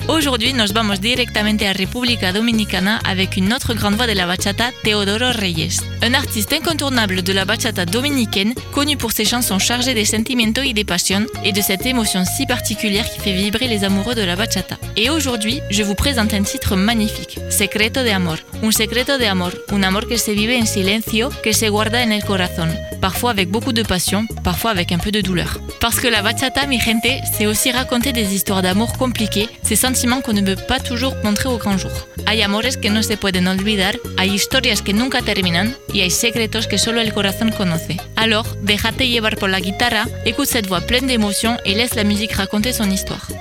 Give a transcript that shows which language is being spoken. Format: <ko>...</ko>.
<fr>Aujourd'hui,</fr> <es>nos vamos directamente a República Dominicana</es> <fr>avec une autre grande voix de la bachata, Teodoro Reyes. Un artiste incontournable de la bachata dominicaine, connu pour ses chansons chargées de</fr> <es>sentimientos y de pasión</es> <fr>et de cette émotion si particulière qui fait vibrer les amoureux de la bachata. Et aujourd'hui, je vous présente un titre magnifique, Secreto de amor.</fr> <es>Un secreto de amor, un amor que se vive en silencio, que se guarda en el corazón.</es> <fr>Parfois avec beaucoup de passion, parfois avec un peu de douleur. Parce que la bachata,</fr> <es>mi gente,</es> <fr>c'est aussi raconter des histoires d'amour compliquées, ces sentiments qu'on ne peut pas toujours montrer au grand jour.</fr> <es>Hay amores que no se pueden olvidar, hay historias que nunca terminan, y hay secretos que solo el corazón conoce.</es> <fr>Alors,</fr> <es>déjate llevar por la guitarra,</es> <fr>écoute cette voix pleine d'émotion et laisse la musique raconter son histoire.</fr>